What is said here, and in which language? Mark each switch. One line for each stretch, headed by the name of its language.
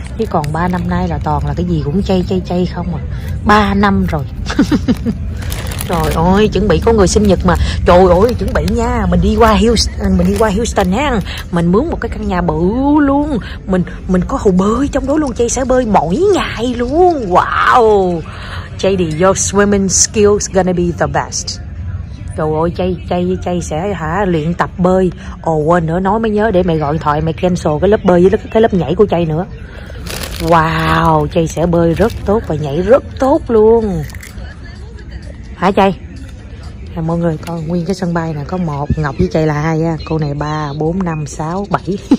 Vietnamese: Chứ còn 3 năm nay là toàn là cái gì cũng chay không à. 3 năm rồi. Trời ơi, chuẩn bị có người sinh nhật mà. Trời ơi, chuẩn bị nha. Mình đi qua Houston ha. Mình mướn một cái căn nhà bự luôn. Mình có hồ bơi trong đó luôn. Chay sẽ bơi mỗi ngày luôn. Wow.
English: Chay thì your swimming skills gonna be the best.
Vietnamese: Trời ơi, chay sẽ hả luyện tập bơi. Ồ quên nữa, nói mới nhớ, để mày gọi điện thoại mày cancel cái lớp bơi với cái lớp nhảy của chay nữa. Wow, chay sẽ bơi rất tốt và nhảy rất tốt luôn. Hả chay? Mọi người coi nguyên cái sân bay nè, có một Ngọc với chay là hai á, cô này 3, 4, 5, 6, 7.